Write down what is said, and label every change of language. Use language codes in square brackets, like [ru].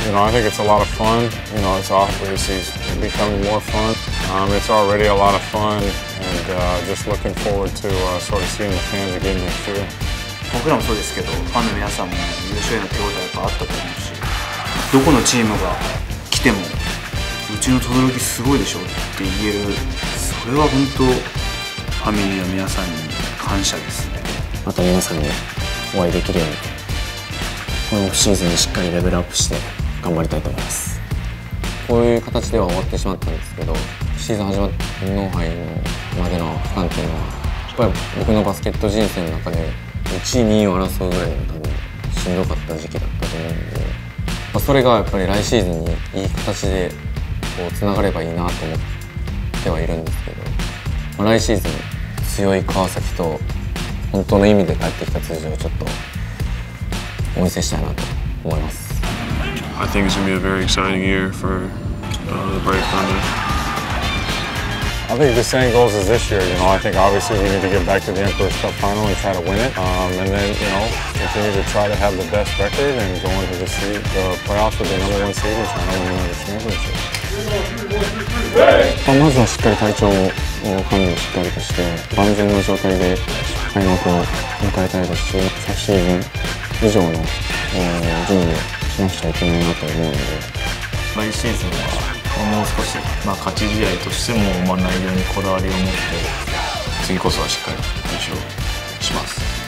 [en] You know, I think it's a lot of fun. You know, it's off-season becoming more fun. It's already a lot of fun. And just looking forward to sort of seeing the fans again next year. [ja] 僕らもそうですけど、ファンの皆さんも優勝への気持ちはやっぱあったと思うし、どこのチームが来ても、うちの轟きすごいでしょって言える、それは本当、ファミリーの皆さんに感謝ですね。また皆さんにお会いできるように、このオフシーズンにしっかりレベルアップして頑張りたいと思います。こういう形では終わってしまったんですけど、シーズン始まってノーハイのまでの期間っていうのは、やっぱり僕のバスケット人生の中で1位2位を争うぐらいの多分しんどかった時期だったと思うんで、それがやっぱり来シーズンにいい形でこう繋がればいいなと思ってはいるんですけど、来シーズン強い川崎と本当の意味で帰ってきた通常をちょっとお見せしたいなと思います。 [en] I think it's going to be a very exciting year for the Brave Thunder. I think the same goes as this year. You know, I think obviously we need to get back to the Emperor's Cup final and try to win it. And then, you know, continue to try to have the best record and go into the playoffs with the number one seed and try to win another championship. [ja] まずはしっかり体調を管理しっかりとして万全の状態で開幕を迎えたいですし、昨シーズン以上の準備をしなくちゃいけないなと思うので、来シーズンはもう少し、まあ、勝ち試合としても内容にこだわりを持って次こそはしっかり優勝します。